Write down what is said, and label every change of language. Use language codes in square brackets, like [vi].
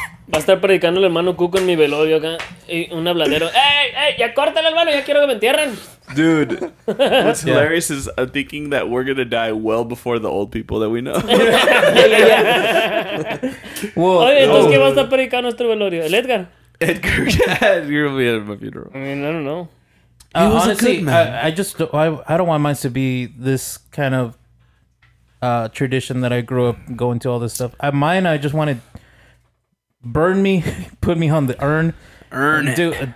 [es] Va a estar predicando el hermano Cuco en mi velorio acá. Y un habladero. ¡Ey! ¡Ya córtale, hermano! ¡Ya quiero que me entierren! [en] Dude, what's hilarious is thinking that we're going to die well before the old people that we know. [es] Well, oye, entonces, ¿qué va a estar predicando nuestro velorio? ¿El Edgar? [en] Edgar, yeah, you're going to be at my funeral. I mean, I don't know. Honestly, I don't want mine to be this kind of tradition that I grew up going to all this stuff. I just want to burn me, put me on the urn, Earn it.